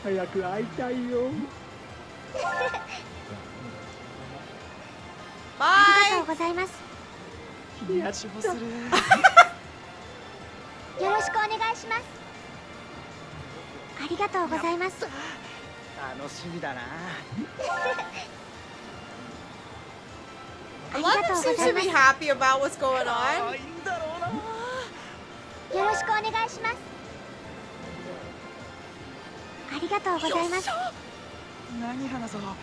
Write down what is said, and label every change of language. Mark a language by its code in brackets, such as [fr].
[ja] よろしくお願いします。ありがとうございます。A [en] lot of them seem to be happy about what's going on. [ja] よろしくお願いします。ありがとうございます。何話そう。